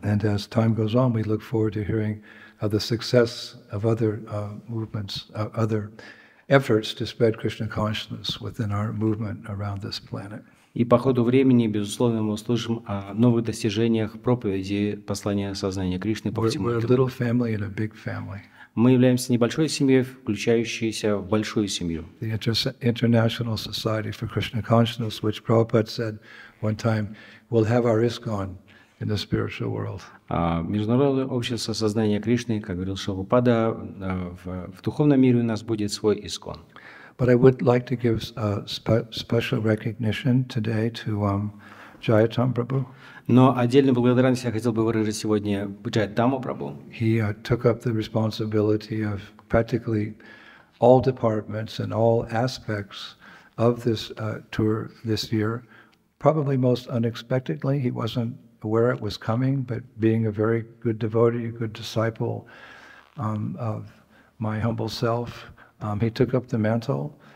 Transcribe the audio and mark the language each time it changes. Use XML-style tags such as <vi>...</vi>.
<en>And as time goes on, we look forward to hearing of the success of other movements, other efforts to spread Krishna consciousness within our movement around this planet.</en> <ru>И по ходу времени, безусловно, мы услышим о новых достижениях проповеди послания сознания Кришны по всему миру.</ru> <en>We're a little family and a big family.</en> <ru>Мы являемся небольшой семьей, включающейся в большую семью.</ru> <en>The International Society for Krishna Consciousness, which Prabhupada said one time, will have our ISKCON in the spiritual world.</en> <ru>Международное общество сознания Кришны, как говорил Шилупада, в духовном мире у нас будет свой ИСКОН.</ru> <en>But I would like to give a special recognition today to Jayatam Prabhu.</en> <ru>Но отдельную благодарность я хотел бы выразить сегодня Джайтаму Прабху.</ru> <en>He took up the responsibility of practically all departments and all aspects of this tour this year. Probably most unexpectedly, he wasn't aware it was coming, but being a very good devotee, a good disciple of my humble self, he took up the mantle.</en>